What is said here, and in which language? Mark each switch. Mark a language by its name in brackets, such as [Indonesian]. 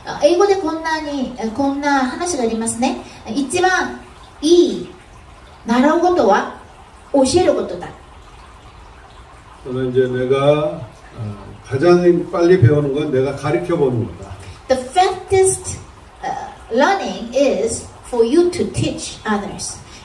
[Japanese] 英語でこんな話がありますね。一番いい習うことは教えることだ。 [Korean] 저는 이제 내가 가장 빨리 배우는 건 내가 가르쳐 보는 거다. [English] The fastest learning is for you to teach others.